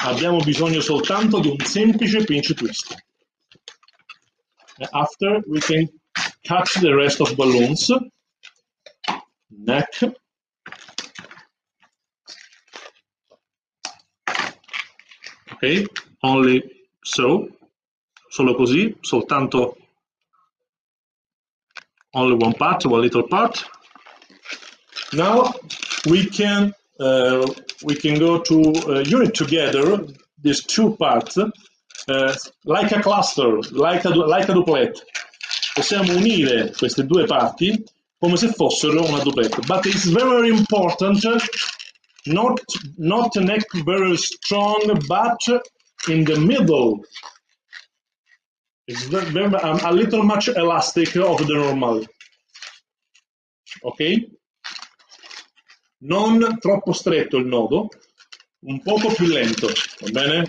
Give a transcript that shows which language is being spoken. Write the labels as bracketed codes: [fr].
[it] Abbiamo bisogno soltanto di un semplice pinch twist. [en] After we can cut the rest of balloons. Neck. Ok, only so, [it] solo così, soltanto [en] only one part, one little part. Now we can go to unit together these two parts like a cluster, like a duplet. [it] Possiamo unire queste due parti come se fossero una duplet. [en] But it's very, very important. Not neck very strong, but in the middle. It's a little much elastic of the normal. Okay? [it] Non troppo stretto il nodo, un poco più lento, va bene?